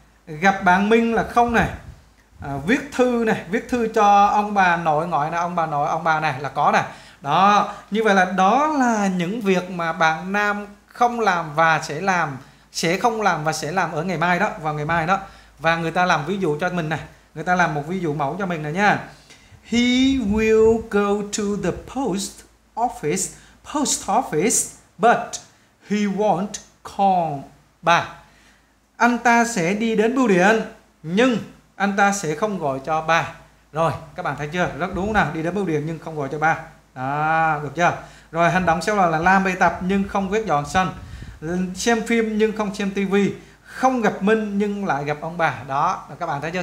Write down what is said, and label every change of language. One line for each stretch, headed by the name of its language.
Vietnamese: Gặp bạn Minh là không này. Viết thư này, viết thư cho ông bà nội ngoại này, ông bà này là có này. Đó, như vậy là đó là những việc mà bạn Nam không làm và sẽ làm, sẽ không làm và sẽ làm ở ngày mai đó, vào ngày mai đó. Và người ta làm ví dụ cho mình này, người ta làm một ví dụ mẫu cho mình này nha.
English: He will go to the post office, but he won't call back.
Vietnamese: Anh ta sẽ đi đến bưu điện, nhưng anh ta sẽ không gọi cho bà. Rồi, các bạn thấy chưa? Rất đúng nào, đi đến bưu điện nhưng không gọi cho bà. Đó, được chưa? Rồi, hành động sau là làm bài tập nhưng không quét dọn sân. Xem phim nhưng không xem tivi. Không gặp Minh nhưng lại gặp ông bà. Đó, các bạn thấy chưa?